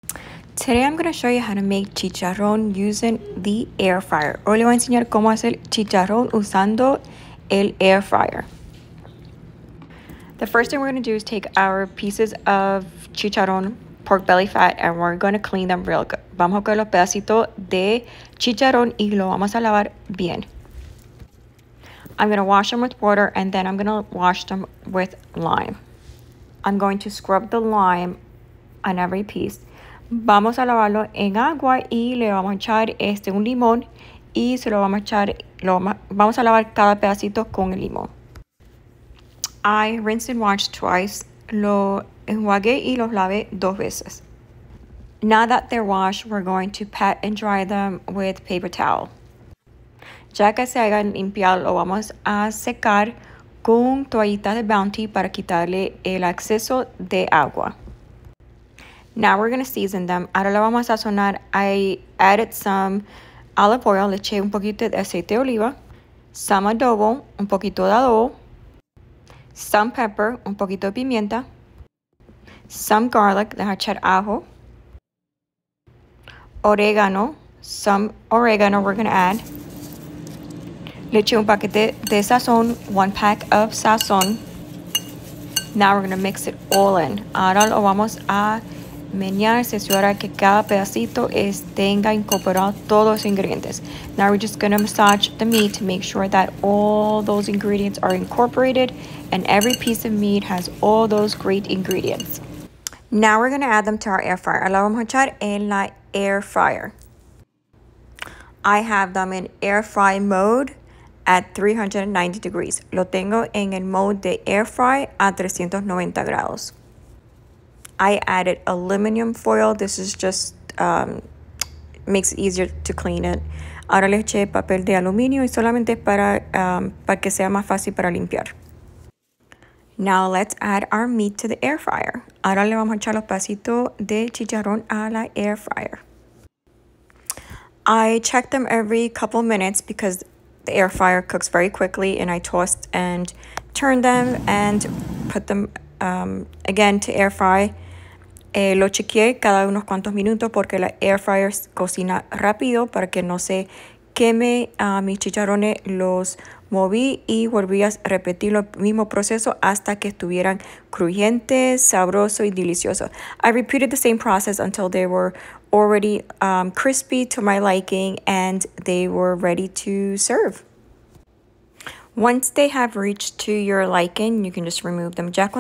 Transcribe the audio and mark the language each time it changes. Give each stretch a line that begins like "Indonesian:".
English: Today I'm going to show you how to make chicharrón using the air fryer.
Spanish: Hoy le voy a enseñar cómo hacer chicharrón usando el air fryer.
English: The first thing we're going to do is take our pieces of chicharrón, pork belly fat, and we're going to clean them real good.
Spanish: Vamos a coger los pedacitos de chicharrón y lo vamos a lavar bien.
English: I'm going to wash them with water and then I'm going to wash them with lime. I'm going to scrub the lime on every piece.
Spanish: Vamos a lavarlo en agua y le vamos a echar un limón y se lo vamos a echar, vamos a lavar cada pedacito con el limón.
English: I rinsed and washed twice.
Spanish: Lo enjuagué y los lavé dos veces.
English: Now that they're washed, we're going to pat and dry them with paper towel.
Spanish: Ya que se hayan limpiado, lo vamos a secar con toallitas de Bounty para quitarle el exceso de agua.
English: Now we're going to season them.
Spanish: Ahora lo vamos a sazonar.
English: I added some olive oil.
Spanish: Le eché un poquito de aceite de oliva.
English: Some adobo,
Spanish: un poquito de adobo.
English: Some pepper,
Spanish: un poquito de pimienta.
English: Some garlic,
Spanish: deja echar ajo.
English: Orégano, some oregano we're going to add.
Spanish: Le eché un paquete de sazón,
English: one pack of sazón. Now we're going to mix it all in.
Spanish: Ahora lo vamos a menear, se asegura que cada pedacito tenga incorporado todos los ingredientes.
English: Now we're just going to massage the meat to make sure that all those ingredients are incorporated and every piece of meat has all those great ingredients. Now we're going to add them to our air fryer.
Spanish: Ahora vamos a echar en la air fryer.
English: I have them in air fry mode at 390 degrees.
Spanish: Lo tengo en el modo de air fry a 390 grados.
English: I added aluminum foil. This is just makes it easier to clean it.
Spanish: Ahora le eché papel de aluminio y solamente para que sea más fácil para limpiar.
English: Now let's add our meat to the air fryer.
Spanish: Ahora le vamos a echar los pasitos de chicharrón a la air fryer.
English: I check them every couple minutes because the air fryer cooks very quickly, and I toss and turn them and put them again to air fry.
Spanish: Lo chequeé cada unos cuantos minutos porque la air fryer cocina rápido para que no se queme mis chicharrones. Los moví y volví a repetir el mismo proceso hasta que estuvieran crujientes, sabrosos y deliciosos.
English: I repeated the same process until they were already crispy to my liking and they were ready to serve. Once they have reached to your liking, you can just remove them.